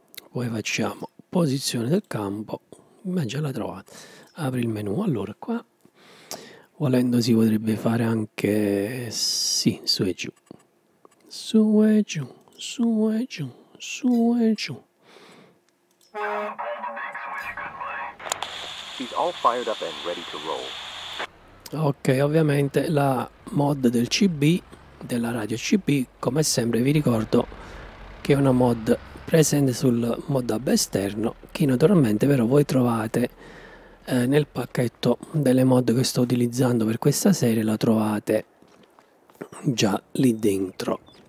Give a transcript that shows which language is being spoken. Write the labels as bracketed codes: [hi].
[it] Poi facciamo posizione del campo, ma già la trovate. Apri il menu. Allora, qua volendo si potrebbe fare anche sì, su e giù, su e giù, su e giù, su e giù. [en] He's all fired up and ready to roll. [it] Ok, ovviamente la mod del CB, della radio CB, come sempre vi ricordo che è una mod presente sul mod hub esterno, che naturalmente però voi trovate nel pacchetto delle mod che sto utilizzando per questa serie, la trovate già lì dentro.